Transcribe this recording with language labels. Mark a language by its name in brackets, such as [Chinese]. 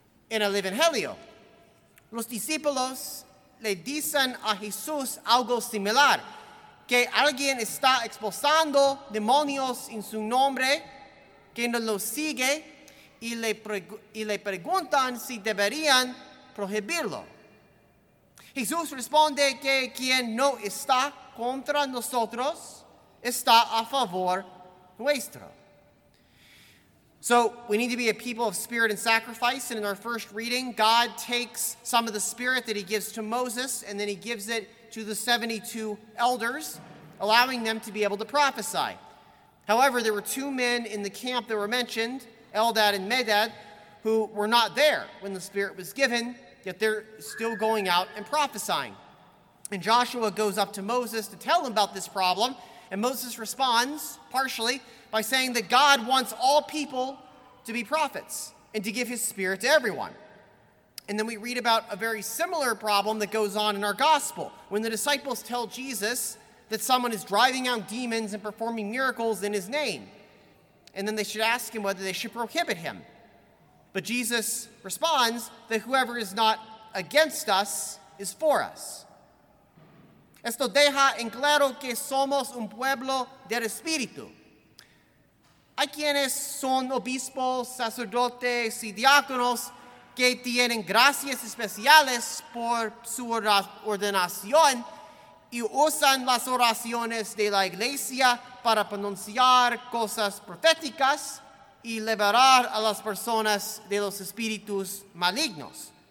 [Spanish] En el Evangelio, los discípulos le dicen a Jesús algo similar, que alguien está expulsando demonios en su nombre, que no lo sigue, y le preguntan si deberían prohibirlo. Jesús responde que quien no está contra nosotros está a favor nuestro. [English] So we need to be a people of spirit and sacrifice. And in our first reading, God takes some of the spirit that he gives to Moses and then he gives it to the 72 elders, allowing them to be able to prophesy. However, there were two men in the camp that were mentioned, Eldad and Medad, who were not there when the spirit was given, yet they're still going out and prophesying. And Joshua goes up to Moses to tell him about this problem. And Moses responds, partially, by saying that God wants all people to be prophets and to give his spirit to everyone. And then we read about a very similar problem that goes on in our gospel. When the disciples tell Jesus that someone is driving out demons and performing miracles in his name, and then they should ask him whether they should prohibit him. But Jesus responds that whoever is not against us is for us. [Spanish] Esto deja en claro que somos un pueblo del Espíritu. Hay quienes son obispos, sacerdotes y diáconos que tienen gracias especiales por su ordenación y usan las oraciones de la iglesia para pronunciar cosas proféticas y liberar a las personas de los espíritus malignos.